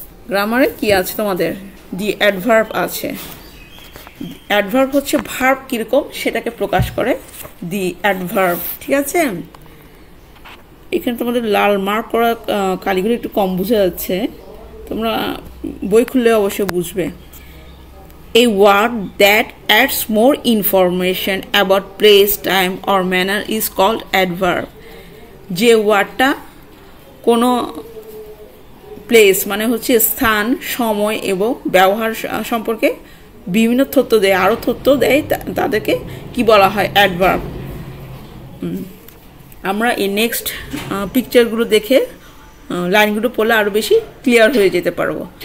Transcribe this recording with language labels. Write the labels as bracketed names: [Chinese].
[Bangla] গ্রামারে কী আছে তোমাদের, দি অ্যাডভার্ব আছে, অ্যাডভার্ব হচ্ছে ভার্ব কীরকম সেটাকে প্রকাশ করে, দি অ্যাডভার্ব, ঠিক আছে। এখানে তোমাদের লাল মার্ক করা কালিগুলো একটু কম বোঝা যাচ্ছে, তোমরা বই খুললে অবশ্যই বুঝবে। [English] A word that adds more information about place, time or manner is called adverb. [Bangla] যে ওয়ার্ডটা কোনো প্লেস মানে হচ্ছে স্থান, সময় এবং ব্যবহার সম্পর্কে বিভিন্ন তথ্য দেয়, আরও তথ্য দেয়, তাদেরকে কি বলা হয় অ্যাডভার্ব। আমরা এই নেক্সট পিকচারগুলো দেখে লাইনগুলো পড়লে আরও বেশি ক্লিয়ার হয়ে যেতে পারবো।